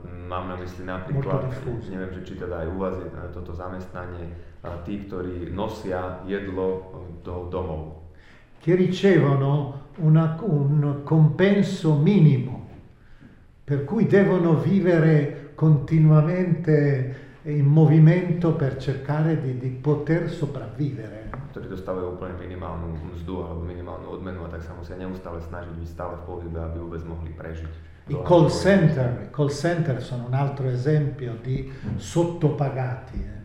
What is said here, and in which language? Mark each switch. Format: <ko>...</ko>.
<sk>Mám na mysli napríklad, neviem, či teda aj u vás je toto zamestnanie, tí, ktorí nosia jedlo do domov.</sk> <it>Che ricevono un compenso minimo, per cui devono vivere continuamente in movimento per cercare di poter sopravvivere.</it> <sk>Ktorí dostávajú úplne minimálnu mzdu alebo minimálnu odmenu, a tak sa musia neustále snažiť byť stále v pohybe, aby vôbec mohli prežiť.</sk> <it>I call center sono un altro esempio di sottopagati.</it>